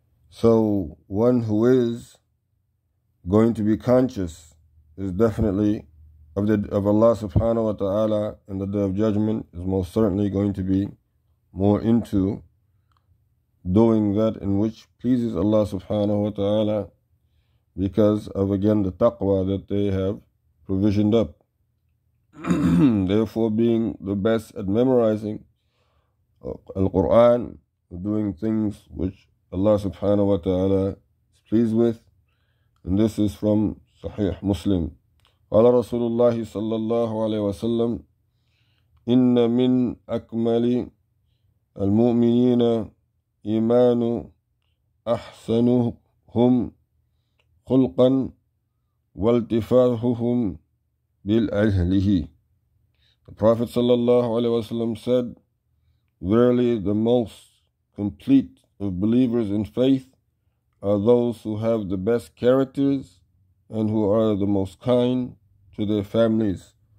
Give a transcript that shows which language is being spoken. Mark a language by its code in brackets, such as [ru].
[en] So one who is going to be conscious is definitely of Allah subhanahu wa ta'ala in the day of judgment, is most certainly going to be more into doing that in which pleases Allah subhanahu wa ta'ala, because of again the taqwa that they have provisioned up. Therefore, being the best at memorizing Al-Quran, doing things which Allah subhanahu wa ta'ala is pleased with. And this is from Sahih Muslim. [ar] قال رسول الله صلى الله عليه وسلم إن من أكمل المؤمنين إيمان أحسنهم خلقا والتفاههم بالأهل. [en] The Prophet [ar] صلى الله عليه وسلم [en] said, verily the most complete of believers in faith are those who have the best characters and who are the most kind to their families.